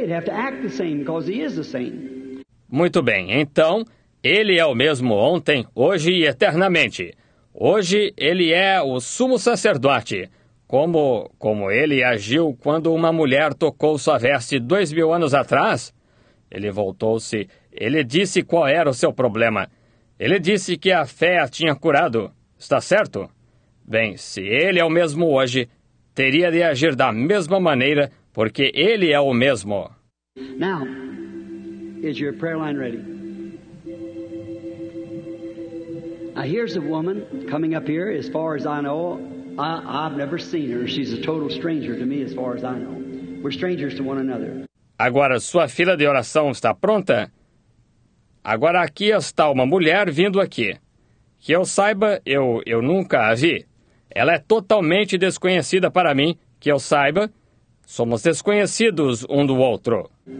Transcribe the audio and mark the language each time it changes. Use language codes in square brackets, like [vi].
[en] He'd have to act the same because he is the same. [pt] Muito bem. Então, ele é o mesmo ontem, hoje e eternamente. Hoje ele é o sumo sacerdote. Como ele agiu quando uma mulher tocou sua veste 2,000 anos atrás? Ele voltou-se. Ele disse qual era o seu problema. Ele disse que a fé a tinha curado. Está certo? Bem, se ele é o mesmo hoje, teria de agir da mesma maneira, porque ele é o mesmo. [en] Now, is your prayer line ready? Now, here's a woman coming up here, as far as I know. I've never seen her. She's a total stranger to me, as far as I know. We're strangers to one another. [pt] Agora, sua fila de oração está pronta? Agora, aqui está uma mulher vindo aqui. Que eu saiba, eu nunca a vi. Ela é totalmente desconhecida para mim. Que eu saiba, somos desconhecidos um do outro.